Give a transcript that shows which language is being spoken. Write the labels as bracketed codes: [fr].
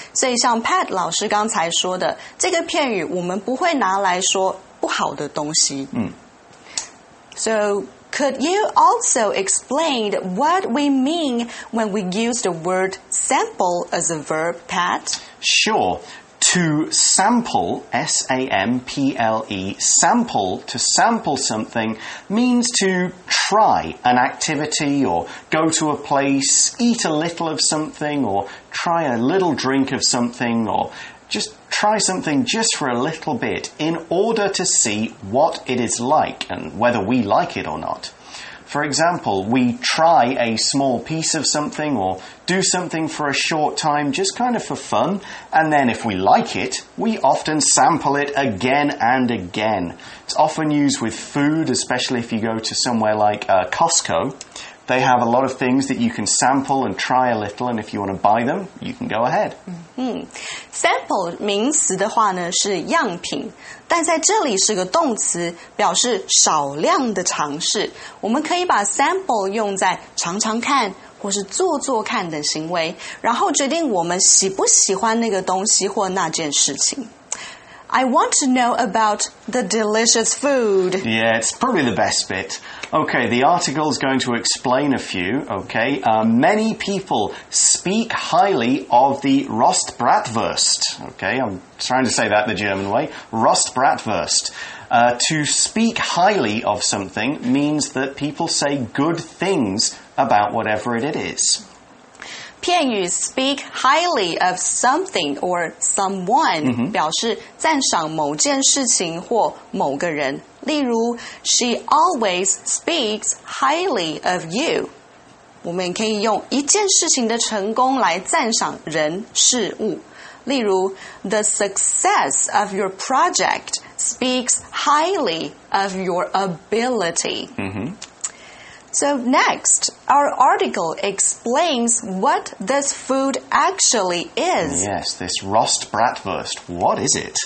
[zh] 所以像 Pat 老师刚才说的，这个片语我们不会拿来说不好的东西。 [en] So, could you also explain what we mean when we use the word sample as a verb, Pat? Sure. To sample, S-A-M-P-L-E, sample, to sample something, means to try an activity or go to a place, eat a little of something or try a little drink of something or just try something just for a little bit in order to see what it is like and whether we like it or not. For example, we try a small piece of something or do something for a short time just kind of for fun. And then if we like it, we often sample it again and again. It's often used with food, especially if you go to somewhere like Costco. They have a lot of things that you can sample and try a little. And if you want to buy them, you can go ahead. [zh] Sample 名词的话呢是样品。但在这里是个动词，表示少量的尝试。我们可以把 sample 用在尝尝看，或是做做看的行为，然后决定我们喜不喜欢那个东西或那件事情。 [en] I want to know about the delicious food. Yeah, it's probably the best bit. Okay, the article is going to explain a few, okay? Many people speak highly of the Rostbratwurst. Okay, I'm trying to say that the German way. Rostbratwurst. To speak highly of something means that people say good things about whatever it is. 片语 speak highly of something or someone、mm-hmm. [zh] 表示赞赏某件事情或某个人。例如 [en] she always speaks highly of you. [zh] 我们可以用一件事情的成功来赞赏人事物。例如 [en] the success of your project speaks highly of your ability.、 Mm-hmm. So next, our article explains what this food actually is. Yes, this Rostbratwurst. What is it?